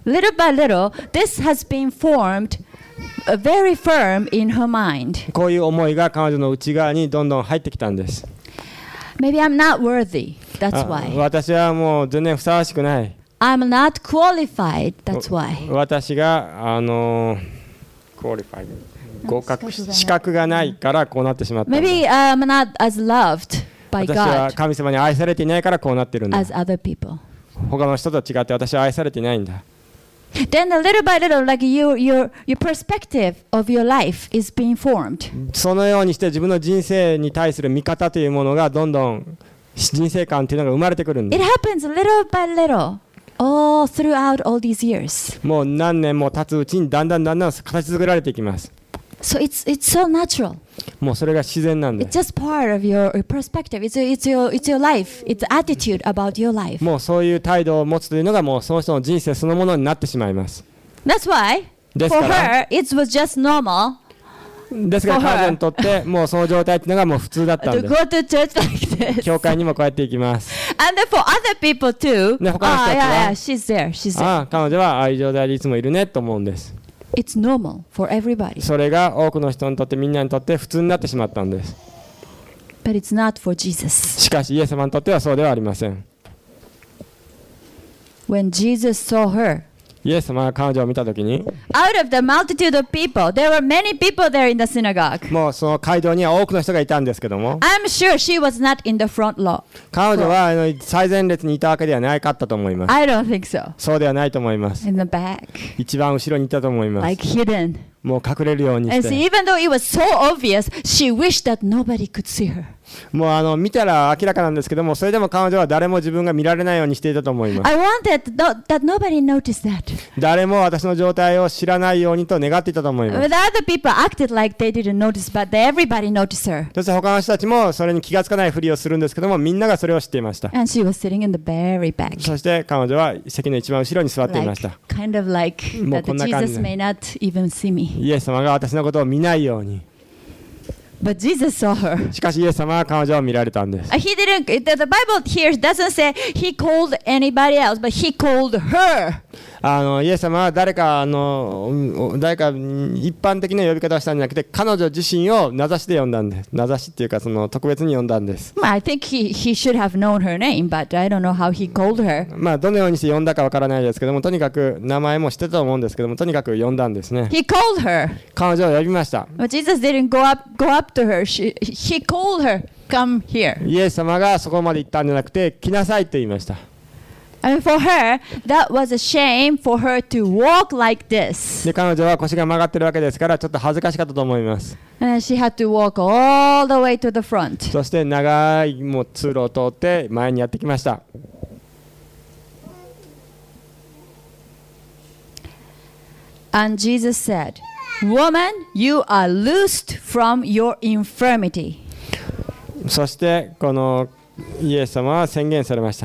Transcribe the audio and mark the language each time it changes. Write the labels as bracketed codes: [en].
[en] Little by little, this has been formed very firm in her mind. [ja] こういう思いが彼女の内側にどんどん入ってきたんです。 [en] Maybe I'm not worthy. That's why. [ja] 私はもう全然ふさわしくない。 [en] I'm not qualified, that's why. [ja] 私が qualified. 合格資格がないからこうなってしまった。 [en] Maybe I'm not as loved by God. [ja] 私は神様に愛されていないからこうなってるんだ。 [en] As other people. [ja] 他の人と違って私は愛されていないんだ。 [en] Then a little by little, like your perspective of your life is being formed. [ja] そのようにして自分の人生に対する見方というものがどんどん人生観というのが生まれてくるんだ。 [en] It happens little by little. All throughout all these years. [ja] もう何年も経つうちにだんだんだんだん形作られていきます。 [en] So it's so natural. [ja] もうそれが自然なんです。 [en] It's just part of your perspective. It's your life. It's attitude about your life. [ja] もうそういう態度を持つというのがもうその人の人生そのものになってしまいます。 [en] That's why for her it was just normal. [ja] ですから彼女にとってもうその状態というのがもう普通だったんです。 [en] To go to church like this. [ja] 教会にもこうやって行きます。 [en] And then for other people too. [ja] ね、他の人たちは、 [en] yeah, yeah, she's there, she's there. [ja] 彼女は愛情でありいつもいるねと思うんです。 [en] It's normal for everybody. [ja] それが多くの人にとってみんなにとって普通になってしまったんです。 [en] But it's not for Jesus. [ja] しかしイエス様にとってはそうではありません。 [en] When Jesus saw her. [ja] イエス様が彼女を見たときに [en] Out of the multitude of people, there were many people there in the synagogue. [ja] もうその会堂には多くの人がいたんですけども [en] I'm sure she was not in the front row. [ja] 彼女は最前列にいたわけではないかったと思います [en] I don't think so. [ja] そうではないと思います [en] In the back. [ja] 一番後ろにいたと思います [en] Like hidden. [ja] もう隠れるようにして [en] And see, even though it was so obvious, she wished that nobody could see her. [ja] もう見たら明らかなんですけどもそれでも彼女は誰も自分が見られないようにしていたと思います [en] I wanted that nobody noticed that. [ja] 誰も私の状態を知らないようにと願っていたと思います [en] But other people acted like they didn't notice, but everybody noticed her. [ja] そして他の人たちもそれに気がつかないふりをするんですけどもみんながそれを知っていました [en] And she was sitting in the very back. [ja] そして彼女は席の一番後ろに座っていました [en] like, Kind of like that Jesus may not even see me. [ja] イエス様が私のことを見ないように。 [en] But Jesus saw her. [ja] しかしイエス様は彼女を見られたんです。 [en] He didn't. The Bible here doesn't say he called anybody else, but he called her. [ja] イエス様は誰か一般的な呼び方をしたんじゃなくて、彼女自身を名指しで呼んだんです。名指しっていうかその特別に呼んだんです。 [en] Well, I think he should have known her name, but I don't know how he called her. [ja] まあどのようにして呼んだかわからないですけども、とにかく名前も知ってたと思うんですけども、とにかく呼んだんですね。 [en] He called her. [ja] 彼女を呼びました。 [en] But Jesus didn't go up. To her. He called her, come here. [ja] イエス様がそこまで行ったんじゃなくて来なさいと言いました。 [en] And for her, that was a shame for her to walk like this. [ja] で彼女は腰が曲がってるわけですからちょっと恥ずかしかったと思います。 [en] And she had to walk all the way to the front. [ja] そして長いもう通路を通って前にやってきました。 [en] And Jesus said. Woman, you are loosed from your infirmity. [ja] そしてこのイエス様は宣言されました。